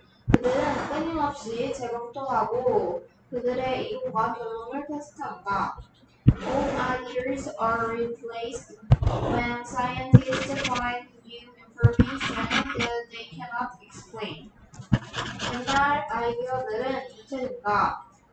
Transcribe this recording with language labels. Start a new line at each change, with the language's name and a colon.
Korean: 그들은 끊임없이 재검토 하고 그들의 이론과 결론을 테스트한다.
English: Old ideas are replaced when scientists find new information that they cannot explain.
Korean: 옛날 아이디어들은 교체된다.